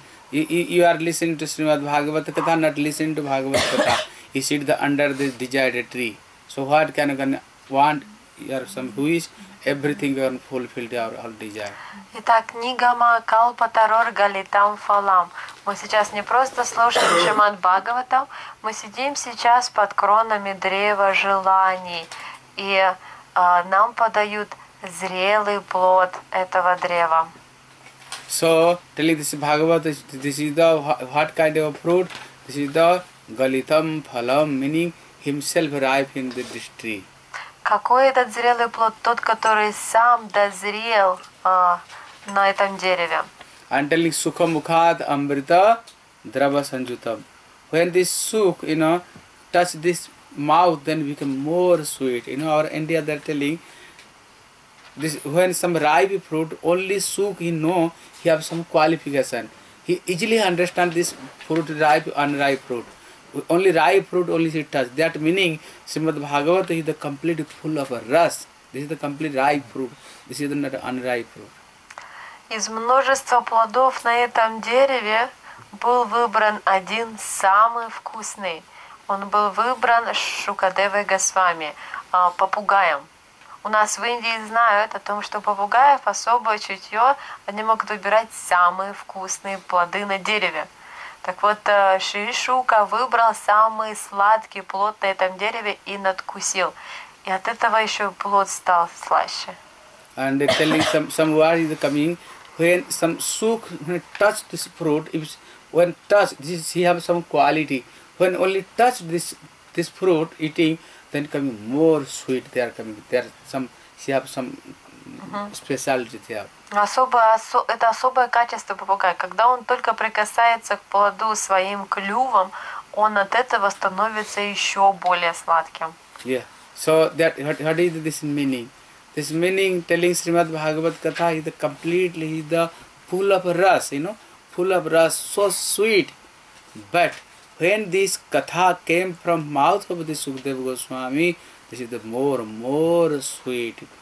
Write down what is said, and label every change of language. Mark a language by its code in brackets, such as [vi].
[en] You are listening to Srimad Bhagavata Katha, not listening to Bhagavata Katha. He sit the under the desired tree. So what can you want? You some who is everything you are fulfilled your all desire. [ru] Итак, Нигама Калпатарур Галитам Phalam. Мы сейчас не просто слушаем Шримад Бхагаватам, мы сидим сейчас под кронами древа желаний, и нам подают зрелый плод этого древа. [en] So, telling this Bhagavata, this is the what kind of fruit? This is the Galitam Phalam, meaning himself ripe in the tree. [ru] Какой этот зрелый плод? Тот, который сам дозрел на этом дереве. [en] I'm telling Sukha Mukhad Amrita Drava Sanjutam. When this Sukh, you know, touch this mouth, then become more sweet. You know, our India, they're telling this, when some ripe fruit, only Sukh, he know, he have some qualification. He easily understand this fruit, ripe, unripe fruit. Only ripe fruit, only he touch. That meaning, Srimad Bhagavata is the complete full of rasa. This is the complete ripe fruit. This is not unripe fruit. [ru] Из множества плодов на этом дереве был выбран один самый вкусный. Он был выбран Шукадевой Госвами, попугаем. У нас в Индии знают о том, что попугаев особое чутье, они могут выбирать самые вкусные плоды на дереве. Так вот, Шри Шука выбрал самый сладкий плод на этом дереве и надкусил. И от этого еще плод стал слаще. [en] And telling some word is coming, when some Shuk touch this fruit, if when touch this, he have some quality. When only touch this fruit eating, then coming more sweet, they are coming. They are some, she have some specialty there. [ru] Это особое качество попугая. Когда он только прикасается к плоду своим клювом, он от этого становится еще более сладким. [en] Yeah. So that what is this meaning? This meaning telling Srimad Bhagavad Katha is completely the full of rasa, you know, full of rasa, so sweet. But when this katha came from mouth of the Sukadeva Goswami, this is the more sweet.